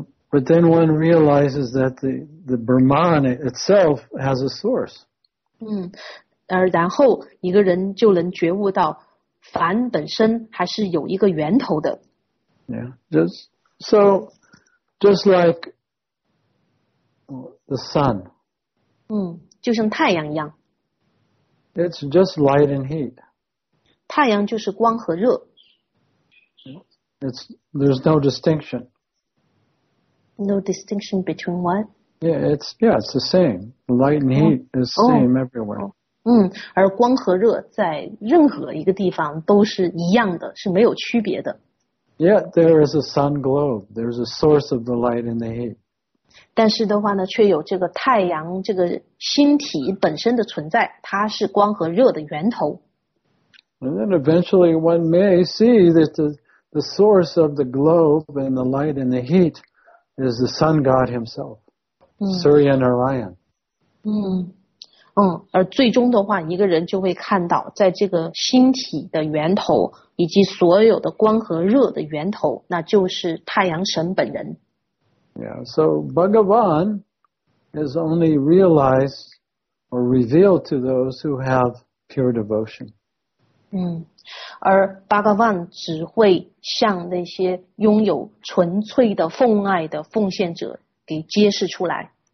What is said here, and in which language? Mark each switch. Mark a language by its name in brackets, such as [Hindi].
[English] But then one realizes that the Brahman itself has a source. [Chinese] 而然后一个人就能觉悟到梵本身还是有一个源头的。 [English] Just like the sun. [Chinese] 就像太阳一样。 [English] It's just light and heat. [Chinese] 太阳就是光和热。 [English] There's no distinction. No distinction between what? Yeah, it's the same. Light and heat is the same everywhere. [Chinese] 而光和热在任何一个地方都是一样的，是没有区别的。 [English] Yeah, there is a sun globe. There's a source of the light and the heat. [Chinese] 但是的话呢，却有这个太阳这个星体本身的存在，它是光和热的源头。 [English] And then eventually one may see that the source of the globe and the light and the heat is the sun god himself, Surya Narayan. [Chinese] 而最终的话，一个人就会看到，在这个星体的源头以及所有的光和热的源头，那就是太阳神本人。 [English] Yeah, so Bhagavan is only realized or revealed to those who have pure devotion. [Chinese] 而 Bhagavan 只会向那些拥有纯粹的奉爱的奉献者给揭示出来。